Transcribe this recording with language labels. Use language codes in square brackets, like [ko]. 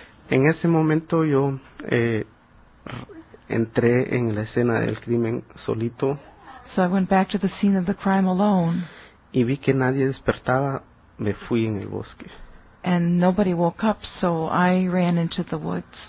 [es] En ese momento yo entré en la escena del crimen solito. [en] So I went back to the scene of the crime alone. [es] Y vi que nadie despertaba, me fui en el bosque. [en] And nobody woke up, so I ran into the woods.